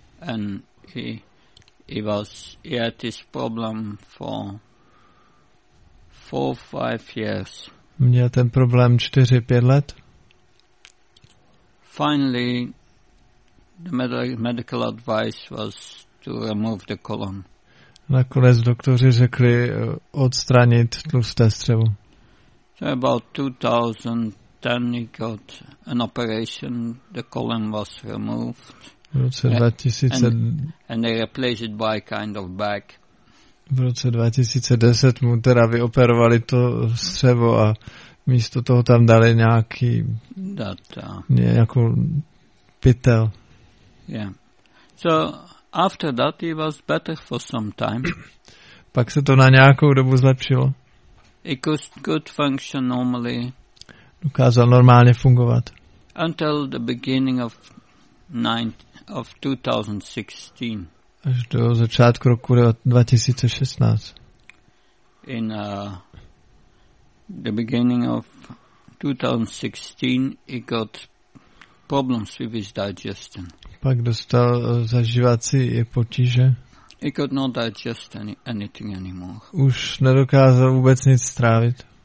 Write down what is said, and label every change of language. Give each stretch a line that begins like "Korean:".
English: And he had this problem for 4-5 years.
Czech: Měl ten problém 4-5 let.
English: Finally, the medical advice was to remove the colon.
Czech: Nakonec doktoři řekli odstranit tlusté střevo.
English: So about 2010 he got an operation, the colon was removed.
Czech: V roce 2010
English: and they replaced it by kind of bag.
Czech: V roce 2010 mu teda vyoperovali to střevo a místo toho tam dali nějaký nějakou pytel.
English: Yeah. So after that he was better for some time.
Czech: Pak se to na nějakou dobu zlepšilo.
English: He could function normally.
Czech: Dokázal normálně fungovat.
English: Until the beginning of 2016.
Czech: Až do začátku roku 2016.
English: In the beginning of 2016, he got problems with his digestion.
Czech: Pak dostal zažívací potíže.
English: He could not digest anything anymore.
Czech: Už nedokázal vůbec nic strávit.